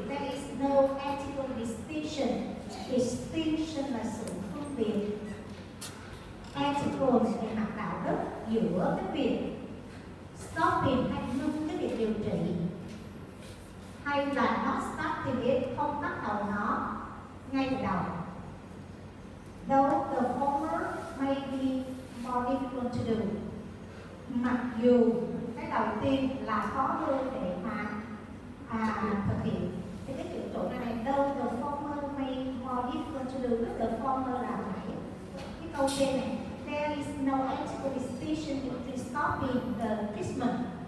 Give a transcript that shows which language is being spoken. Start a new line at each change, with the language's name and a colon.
English: There is no ethical distinction. Distinction
Vietnamese: là sự phân biệt.
English: Ethical
Vietnamese: về mặt đạo đức giữa cái việc
English: stopping
Vietnamese: hay ngưng cái việc điều trị hay là
English: not starting it,
Vietnamese: không bắt đầu nó ngay từ đầu.
English: Though the former may be more difficult to do.
Vietnamese: Mặc dù cái đầu tiên là khó hơn để mà thực hiện. Thì cái chữ chỗ này,
English: though the former may be more difficult to do, with the former
Vietnamese: là phải. Cái câu trên này,
English: there is no ethical distinction between stopping the treatment.